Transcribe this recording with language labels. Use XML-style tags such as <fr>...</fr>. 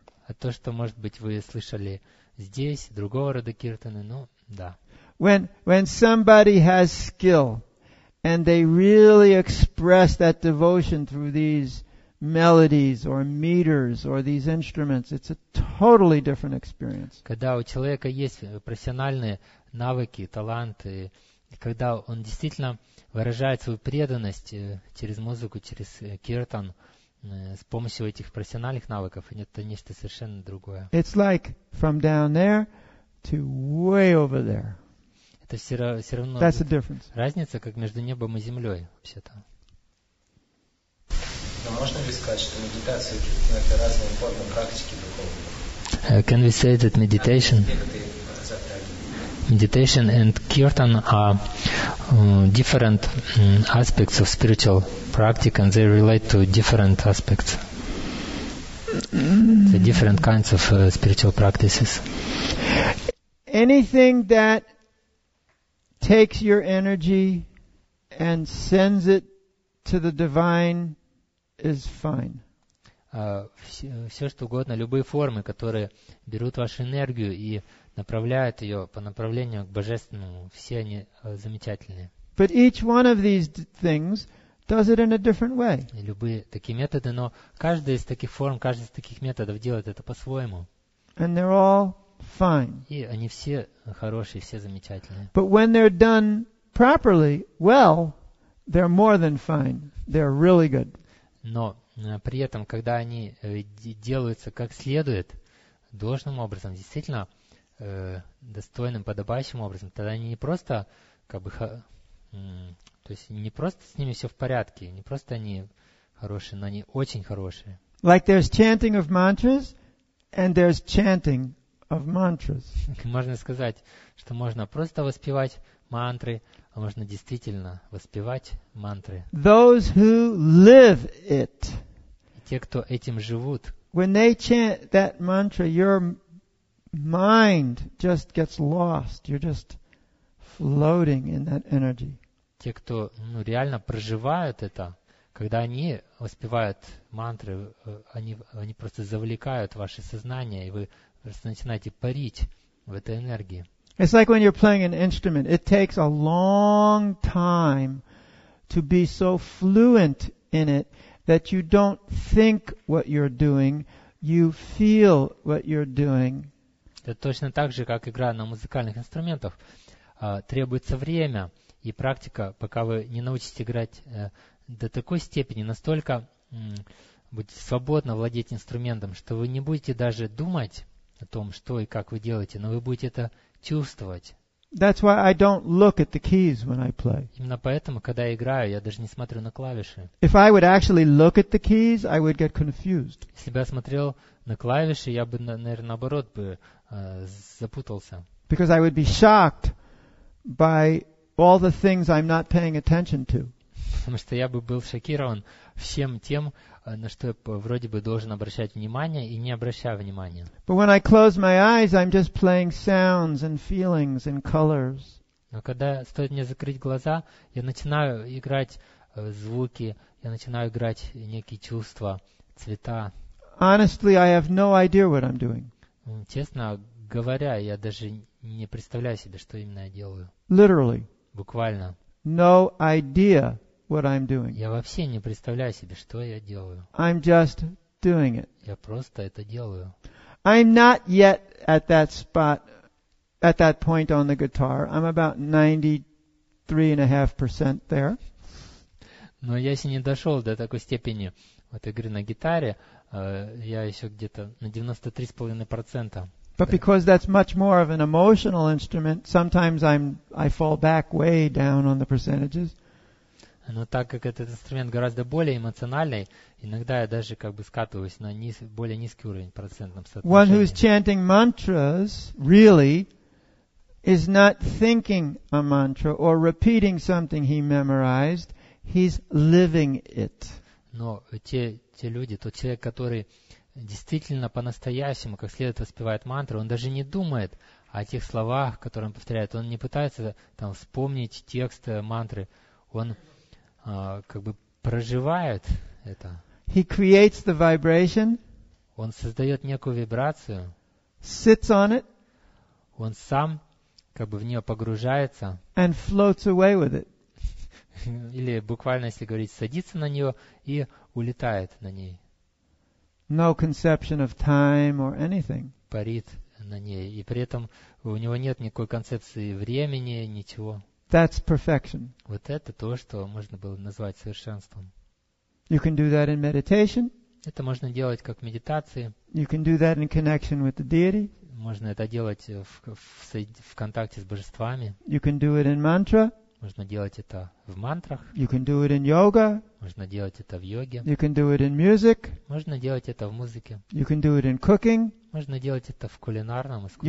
<ru>А то, что может быть вы слышали здесь другого рода киртаны, ну да.</ru> <en>When somebody has skill, and they really express that devotion through these melodies or meters or these instruments, it's a totally different experience.</en> <ru>Когда у человека есть профессиональные навыки, таланты, когда он действительно выражает свою преданность через музыку, через киртан, с помощью этих профессиональных навыков, это нечто совершенно другое.</ru> <en>It's like from down there to way over there.</en> <ru>Это все равно</ru> <en>That's the difference.</en> <ru>Разница, как между небом и землей, вообще-то. Можно ли сказать, что медитация – это разные формы практики духовной?</ru> <en>Can we say that meditation? Meditation and kirtan are different aspects of spiritual practice, and they relate to different aspects, the different kinds of spiritual practices. Anything that takes your energy and sends it to the divine is fine.</en> <ru>Все что угодно, любые формы, которые берут вашу энергию и направляют ее по направлению к Божественному, все они замечательные.</ru> <en>But each one of these things does it in a different way.</en> <ru>Любые такие методы, но каждая из таких форм, каждый из таких методов делает это по-своему.</ru> <en>And they're all fine.</en> <ru>И они все хорошие, все замечательные.</ru> <en>But when they're done properly, well, they're more than fine. They're really good.</en> <ru>Но при этом, когда они делаются как следует, должным образом, действительно достойным, подобающим образом, тогда они не просто как бы то есть не просто с ними все в порядке, не просто они хорошие, но они очень хорошие.</ru> <en>Like there's chanting of mantras and there's chanting of mantras.</en> <ru>Можно сказать, что можно просто воспевать мантры, а можно действительно воспевать мантры.</ru> <en>Those who live it.</en> <ru>Те, кто этим живут.</ru> <en>When they chant that mantra, you're mind just gets lost. You're just floating in that energy.</en> <ru>Те, кто реально проживают это, когда они воспевают мантры, они просто завлекают ваше сознание, и вы просто начинаете парить в этой энергии.</ru> <en>It's like when you're playing an instrument. It takes a long time to be so fluent in it that you don't think what you're doing, you feel what you're doing.</en> <ru>Это точно так же, как игра на музыкальных инструментах. Требуется время и практика, пока вы не научитесь играть до такой степени, настолько будете свободно владеть инструментом, что вы не будете даже думать о том, что и как вы делаете, но вы будете это чувствовать.</ru> <en>That's why I don't look at the keys when I play.</en> <ru>Именно поэтому, когда я играю, я даже не смотрю на клавиши.</ru> <en>If I would actually look at the keys, I would get confused.</en> <ru>Если бы я смотрел на клавиши, я бы, наверное, наоборот бы запутался.</ru> <en>Because I would be shocked by all the things I'm not paying attention to.</en> <ru>Потому что я бы был шокирован всем тем, на что я вроде бы должен обращать внимание и не обращаю внимания.</ru> <en>But when I close my eyes, I'm just playing sounds and feelings and colors.</en> <ru>Но когда стоит мне закрыть глаза, я начинаю играть звуки, я начинаю играть некие чувства, цвета.</ru> <en>Honestly, I have no idea what I'm doing.</en> <ru>Честно говоря, я даже не представляю себе, что именно я делаю.</ru> <en>Literally.</en> <ru>Буквально.</ru> <en>No idea what I'm doing.</en> <ru>Я вообще не представляю себе, что я делаю.</ru> <en>I'm just doing it.</en> <ru>Я просто это делаю.</ru> <en>I'm not yet at that spot, at that point on the guitar. I'm about 93.5% there.</en> <ru>Но я еще не дошел до такой степени вот игры на гитаре. Я еще где-то на 93.5%.</ru> <en>But because that's much more of an emotional instrument, sometimes I fall back way down on the percentages.</en> <ru>Но так как этот инструмент гораздо более эмоциональный, иногда я даже как бы скатываюсь на более низкий уровень процентном соотношении.</ru> <en>One who's chanting mantras really is not thinking a mantra or repeating something he memorized, he's living it.</en> <ru>Но те люди, тот человек, который действительно по-настоящему, как следует воспевает мантры, он даже не думает о тех словах, которые он повторяет, он не пытается там вспомнить текст мантры, он как бы проживает это.</ru> <en>He creates the vibration.</en> <ru>Он создает некую вибрацию.</ru> <en>Sits on it.</en> <ru>Он сам как бы в нее погружается.</ru> <en>And floats away with it.</en> <ru>Или буквально, если говорить, садится на нее и улетает на ней.</ru> <en>No conception of time or anything.</en> <ru>Парит на ней. И при этом у него нет никакой концепции времени, ничего.</ru> <en>That's perfection.</en> <ru>Вот это то, что можно было назвать совершенством.</ru> <en>You can do that in meditation.</en> <ru>Это можно делать как в медитации.</ru> <en>You can do that in connection with the deity.</en> <ru>Можно это делать в контакте с божествами.</ru> <en>You can do it in mantra.</en> <ru>Можно делать это в мантрах.</ru> <en>You can do it in yoga.</en> <ru>Можно делать это в йоге.</ru> <en>You can do it in music.</en> <ru>Можно делать это в музыке.</ru> <en>You can do it in cooking.</en> <ru>Можно делать это в кулинарном искусстве.</ru>